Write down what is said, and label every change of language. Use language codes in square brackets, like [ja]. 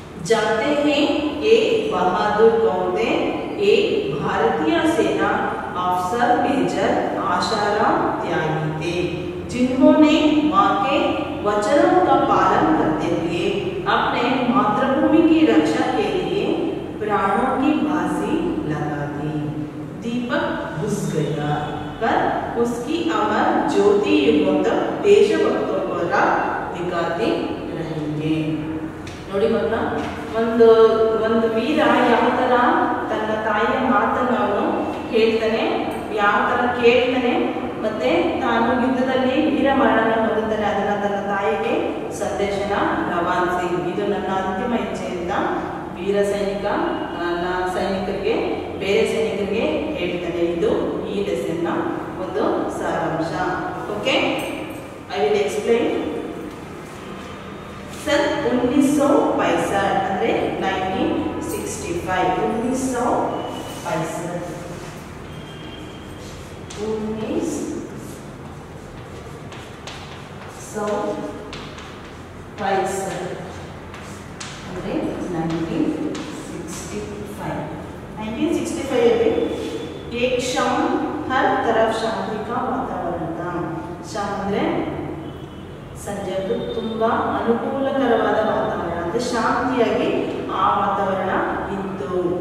[hi] जानते हैं एक बहादुर कौन थे? एक भारतीय सेना अफसर मेजर आशाराम त्यागी थे, जिन्होंने माँ के वचनों का पालन करते हुए अपने मातृभूमि की रक्षा के लिए प्राणों की बाजी लगा दी। दीपक घुस गया, पर उसकी अमर ज्योति युगों तक देशभक्तों को राह दिखाती रहेंगे। [kn] नोड़ी मतलब ಒಂದ್ ವೀರ ಯಾವ ತರ ತನ್ನ ತಾಯಿಯ ಮಾತನ್ನು ಅವನು ಕೇಳ್ತಾನೆ, ಯಾವ ತರ ಕೇಳ್ತಾನೆ, ಮತ್ತೆ ತಾನು ಯುದ್ಧದಲ್ಲಿ ವೀರ ಮರಣ ಹೊಂದುತ್ತಾನೆ, ಅದನ್ನ ತನ್ನ ತಾಯಿಗೆ ಸಂದೇಶನ ರವಾನಿಸಿ, ಇದು ನನ್ನ ಅಂತಿಮ ಇಚ್ಛೆಯಿಂದ ವೀರ ಸೈನಿಕ ನನ್ನ ಸೈನಿಕರಿಗೆ ಬೇರೆ ಸೈನಿಕರಿಗೆ ಹೇಳ್ತಾನೆ. ಇದು ಈ ಲೆಸನ್ನ ಒಂದು ಸಾರಾಂಶ. [en] Okay, I will explain. [hi] सन 1965 अंदर 1965 1965 एक शाम हर तरफ शांति का वातावरण था। [kn] शाम अंदर ಸಂಜೆ ತುಂಬಾ ಅನುಕೂಲಕರವಾದ ವಾತಾವರಣ, ಅಂದ್ರೆ ಶಾಂತಿಯಾಗಿ ಆ ವಾತಾವರಣ ಇತ್ತು.